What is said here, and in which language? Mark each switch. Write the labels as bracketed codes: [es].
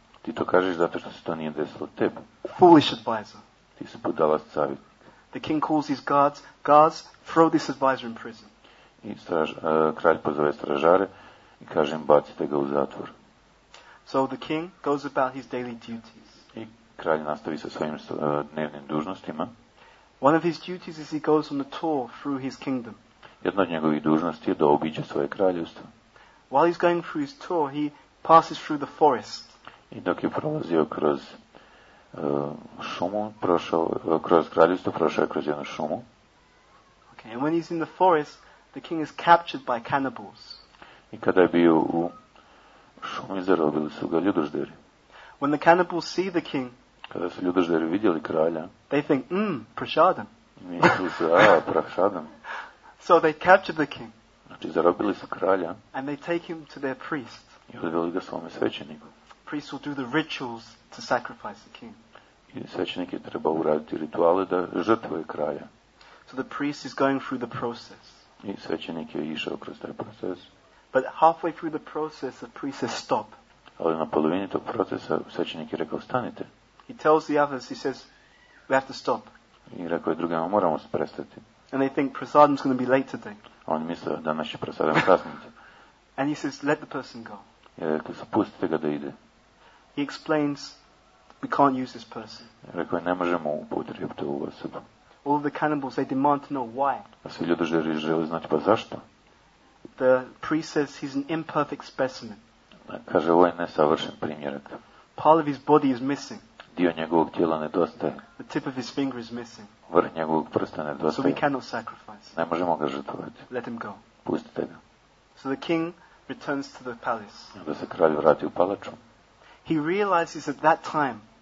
[hr] Ti to kažeš zato što se to nije desilo tebi. [en] Foolish advisor. [hr] Ti si budala savjet. [en] The king calls his guards. Guards, throw this advisor in prison. [hr] I kralj pozove stražare i kaže im, bacite ga u zatvor. [en] So the king goes about his daily duties. [hr] I kralj nastavi sa svojim dnevnim dužnostima. [en] One of his duties is he goes on a tour through his kingdom. [hr] Jedna od njegovih dužnosti je da obiđe svoje kraljevstvo. [en] While he's going through his tour, he passes through the forest. [hr] I dok je prolazio kroz šumu, kroz kraljevstvo, prošao je kroz jednu šumu. [en] Okay, and when he's in the forest, the king is captured by cannibals. [hr] I kada je bio u šumi, zarobili su ga ljudožderi. [en] When the cannibals see the king, [hr] kada su ljudožderi vidjeli kralja, [en] they think, prasadam. [hr] Mislili su, prasadam. [en] So they capture the king. [hr] Znači, zarobili su kralja. [en] And they take him to their priest. [hr] I odveli ga svome svećeniku. [en] Priest will do the rituals to sacrifice the king. [hr] I svećenik je treba uraditi rituale da žrtvuje kralja. [en] So the priest is going through the process. [hr] I svećenik je išao kroz taj proces. [en] But halfway through the process, the priest says stop. [hr] Ali na polovini tog procesa svećenik je rekao stanite. [en] He tells the others, he says, we have to stop. [hr] I rekao je drugima, moramo se prestati. [en] And they think prasadam is going to be late today. [hr] On misle da danas će prasadam kasniti. [en] And he says, let the person go. [hr] Rekao, pustite ga da ide. [en] He explains, we can't use this person. [hr] Rekao, ne možemo upotrijebiti ovu osobu. [en] All of the cannibals, they demand to know why. [hr] A svi ljudi žele znati, pa zašto? [en] The priest says, he's an imperfect specimen. [hr] Kaže, ovo je nesavršen primjerak. [en] Part of his body is missing. [hr] Dio njegovog tijela nedostaje. [en] The tip of his finger is missing. [hr] Vrh njegovog prsta nedostaje. [en] So we cannot sacrifice. [hr] Ne možemo ga žrtvovati. [en] Let him go. [hr] Pustite ga. [en] So the king returns to the palace. [hr] Onda se kralj vrati u palaču. [en] He realizes at that time.